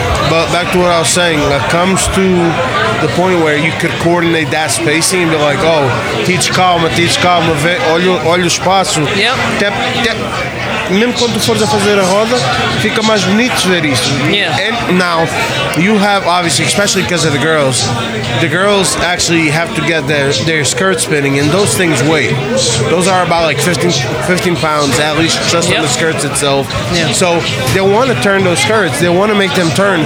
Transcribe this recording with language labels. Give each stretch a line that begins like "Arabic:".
English: But back to what I was saying, comes to the point where you could coordinate that spacing and be like, oh, teach
Portuguese: calma, olha o espaço.
English: Yep.
Portuguese: Mesmo quando fores a fazer a roda, fica mais bonito ver isso.
English: Yeah. And now, you have, obviously, especially because of the girls actually have to get their skirt spinning, and those things weigh. Those are about 15 pounds, at least, just on the skirts itself. Yeah. So they want to turn those skirts. They want to make them turn.